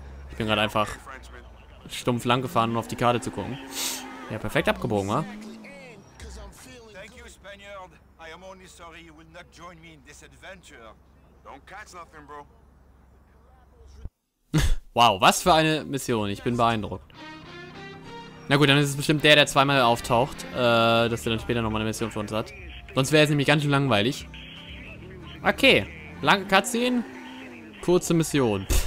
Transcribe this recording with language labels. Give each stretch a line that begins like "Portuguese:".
German: Ich bin gerade einfach stumpf lang gefahren, um auf die Karte zu gucken. Ja, perfekt abgebogen, wa?
English: Thank you, Spaniard. I am only sorry you will not join me in this adventure. Don't catch nothing, bro.
German: Wow, was für eine Mission. Ich bin beeindruckt. Na gut, dann ist es bestimmt der zweimal auftaucht, dass der dann später nochmal eine Mission für uns hat. Sonst wäre es nämlich ganz schön langweilig. Okay, lange Cutscene, kurze Mission.